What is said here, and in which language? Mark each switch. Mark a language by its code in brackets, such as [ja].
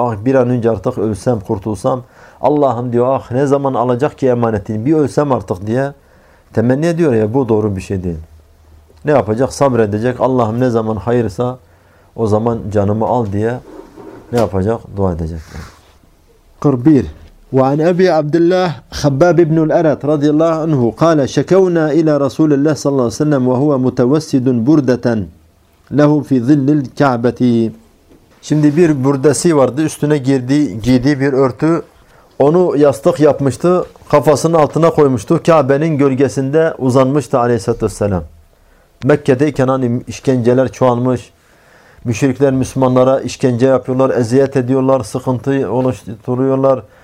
[tr] Ah bir an önce artık ölsem, kurtulsam. Allah'ım diyor ah ne zaman alacak ki emanetini, bir ölsem artık diye. Temenni ediyor ya, bu doğru bir şey değil. Ne yapacak? Sabredecek. Allah'ım ne zaman hayırsa o zaman canımı al diye ne yapacak? Dua edecek. 41. [ar] وَعَنْ أَبِي عَبْدِ اللّٰهِ خَبَّابِ بْنُ الْأَرَتْ رَضِيَ اللّٰهُ عَنْهُ قَالَ شَكَوْنَا إِلَى رَسُولِ اللّٰهِ صَلَّى اللّٰهُ سَلَّمْ وَهُوَ مُتَوَسِّدٌ بُرْدَةً لَهُ فِي ظِلِّ الْكَعْبَةِ [tr] Şimdi bir burdesi vardı. Üstüne giydiği bir örtü. Onu yastık yapmıştı, kafasının altına koymuştu. Kabe'nin gölgesinde uzanmıştı aleyhissalatü vesselam. Mekke'deyken hani işkenceler çoğalmış. Müşrikler Müslümanlara işkence yapıyorlar, eziyet ediyorlar, sıkıntı oluşturuyorlar.